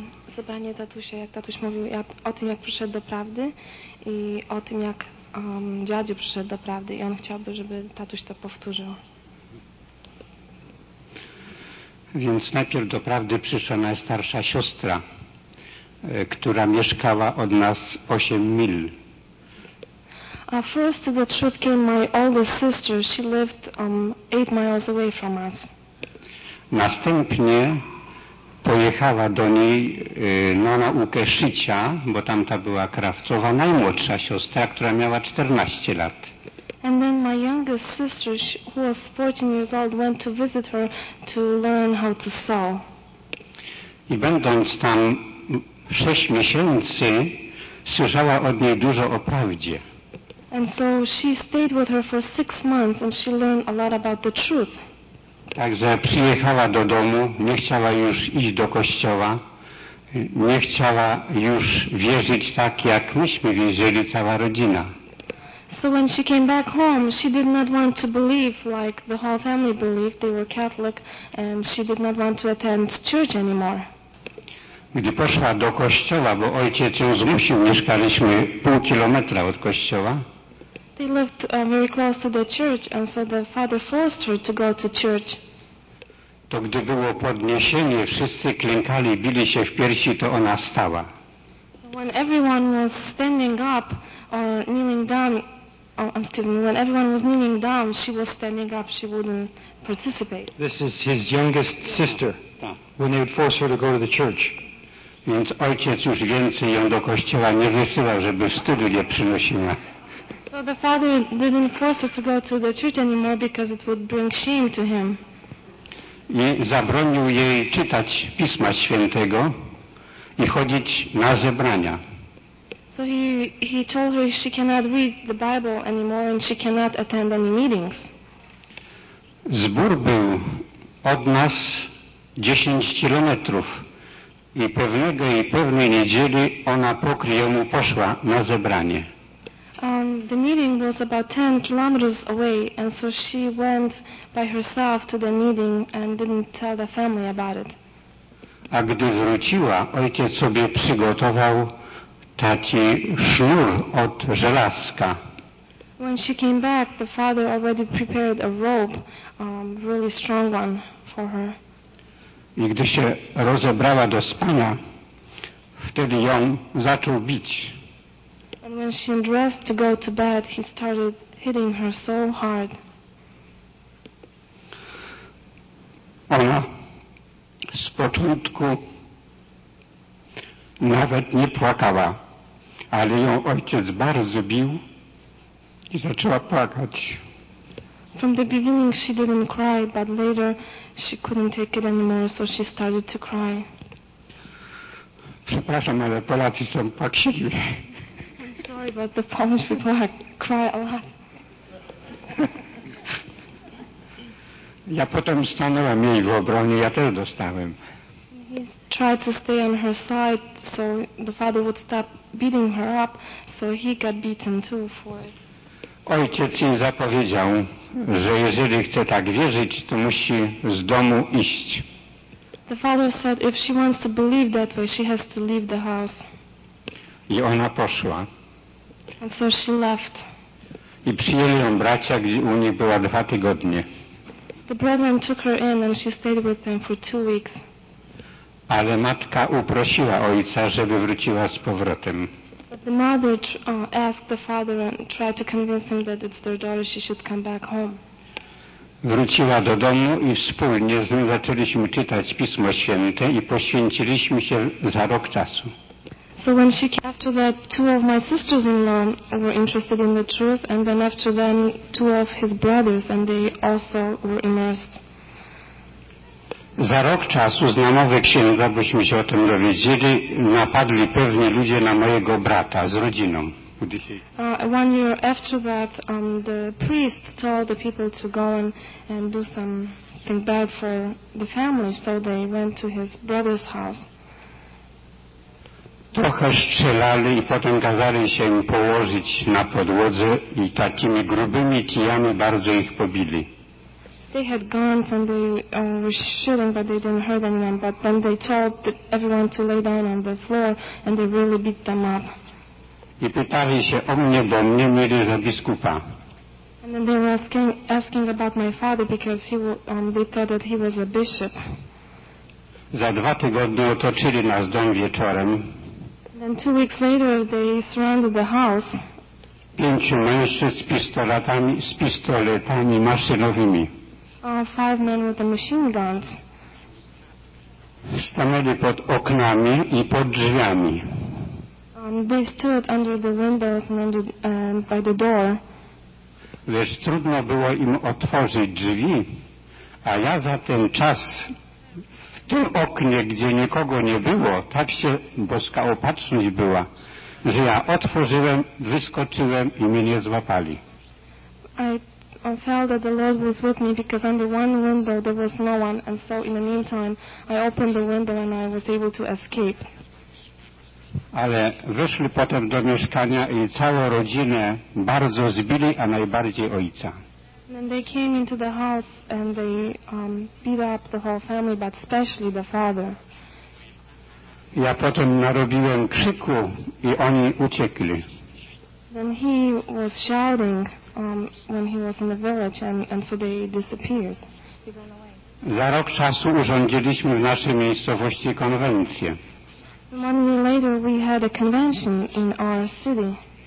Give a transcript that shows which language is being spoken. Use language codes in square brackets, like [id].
[pl] Zebranie tatusia, jak tatuś mówił o tym, jak przyszedł do prawdy i o tym, jak dziadziu przyszedł do prawdy i on chciałby, żeby tatuś to powtórzył. Więc najpierw do prawdy przyszła najstarsza siostra, która mieszkała od nas 8 mil. [en] First to the truth came my oldest sister. She lived 8 miles away from us. [pl] Następnie pojechała do niej na naukę szycia, bo tamta była krawcowa, najmłodsza siostra, która miała 14 lat. [en] And then my youngest sister, who was 14 years old, went to visit her to learn how to sew. [pl] I będąc tam 6 miesięcy, słyszała od niej dużo o prawdzie. [en] And so she stayed with her for 6 months and she learned a lot about the truth. [pl] Także przyjechała do domu, nie chciała już iść do kościoła, nie chciała już wierzyć tak, jak myśmy wierzyli, cała rodzina. [en] So when she came back home, she did not want to believe like the whole family believed, they were Catholic, and she did not want to attend church anymore. [pl] Gdy poszła do kościoła, bo ojciec ją zmusił, mieszkaliśmy pół kilometra od kościoła, [en] they lived very close to the church, and so the father forced her to go to church. [pl] To gdy było podniesienie, wszyscy klękali, bili się w piersi, to ona stała. [en] When everyone was standing up or kneeling down, when everyone was kneeling down, she was standing up, she wouldn't participate. This is his youngest sister, when they would force her to go to the church. [pl] Więc ojciec już więcej ją do kościoła nie wysyłał, żeby wstydu nie przynosiła. [en] So the father didn't force her to go to the church anymore because it would bring shame to him. [pl] I zabronił jej czytać Pisma Świętego i chodzić na zebrania. [en] So he told her she cannot read the Bible anymore and she cannot attend any meetings. [pl] Zbór był od nas 10 kilometrów i pewnego i pewnej niedzieli ona po kryjomu poszła na zebranie. [en] The meeting was about 10 kilometers away, and so she went by herself to the meeting and didn't tell the family about it. [pl] A gdy wróciła, ojciec sobie przygotował taki sznur od żelazka. [en] When she came back, the father already prepared a rope, really strong one for her. [pl] I gdy się rozebrała do spania, wtedy ją zaczął bić. [en] And when she undressed to go to bed, he started hitting her so hard. [pl] Ona z początku nawet nie płakała, ale ją ojciec bardzo bił i zaczęła płakać. [en] From the beginning she didn't cry, but later she couldn't take it anymore, so she started to cry. [pl] Przepraszam, ale Polacy są płaksili. [en] Sorry, but the Polish people cry a lot. [pl] Ja potem stanąłem jej w obronie, ja też dostałem. [en] He tried to stay on her side, so the father would stop beating her up, so he got beaten too for it. [pl] Ojciec jej zapowiedział, że jeżeli chce tak wierzyć, to musi z domu iść. [en] The father said if she wants to believe that way, she has to leave the house. [pl] I ona poszła. [en] And so she left. [pl] I przyjęli ją bracia, gdzie u nich była 2 tygodnie. [en] The brethren took her in and she stayed with them for 2 weeks. [pl] Ale matka uprosiła ojca, żeby wróciła z powrotem. [en] But the mother asked the father and tried to convince him that it's their daughter, she should come back home. [pl] Wróciła do domu i wspólnie z nim zaczęliśmy czytać Pismo Święte i poświęciliśmy się za rok czasu. [en] So when she came after that, two of my sisters-in-law were interested in the truth, and then after them, two of his brothers, and they also were immersed. [pl] Za rok czasu znamowe księdza, byśmy się o tym dowiedzieli, napadli pewni ludzie na mojego brata z rodziną. [en] One year after that, the priest told the people to go and do something bad for the family, so they went to his brother's house. [pl] Trochę strzelali i potem kazali się im położyć na podłodze i takimi grubymi kijami bardzo ich pobili. [en] They had guns and they were shooting, but they didn't hurt anyone. But then they told everyone to lay down on the floor and they really beat them up. [pl] I pytali się o mnie, bo mnie mieli za biskupa. [en] And then they were asking about my father because they thought that he was a bishop. [pl] Za dwa tygodnie otoczyli nas dom wieczorem. [en] Then 2 weeks later, they surrounded the house. [pl] Pięciu mężczyzn z pistoletami maszynowymi. [en] Five men with the machine guns. [pl] Stanęli pod oknami i pod drzwiami. [en] They stood under the windows and by the door. [pl] Lecz trudno było im otworzyć drzwi, a ja za ten czas w tym oknie, gdzie nikogo nie było, tak się boska opatrzność była, że ja otworzyłem, wyskoczyłem i mnie nie złapali. [en] I felt that the Lord was with me because under one window there was no one, and so in the meantime I opened the window and I was able to escape. [pl] Ale wyszli potem do mieszkania i całą rodzinę bardzo zbili, a najbardziej ojca. [en] And they came into the house and they beat up the whole family, but especially the father. [pl] Ja potem narobiłem krzyku i oni uciekli. [en] Then he was shouting when he was in the village and so they disappeared. [pl] Za rok czasu urządziliśmy w naszej miejscowości konwencję. [en] 1 year later we had a convention in our city.